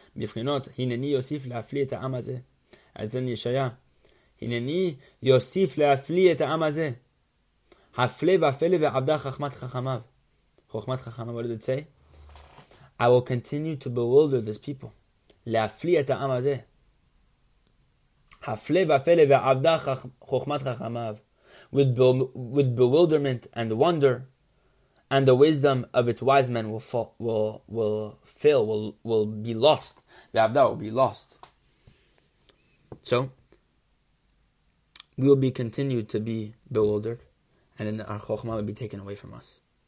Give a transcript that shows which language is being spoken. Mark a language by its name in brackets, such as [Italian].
[English] What does it say? I will continue to bewilder this people. [Hebrew] להפליע את העם הזה. הפלא ופלא ועבדה חוכמת חכמיו. [English] With bewilderment and wonder, and the wisdom of its wise men will fail, will be lost. ועבדה will be lost. So, we will be continued to be bewildered, and then our חוכמה will be taken away from us.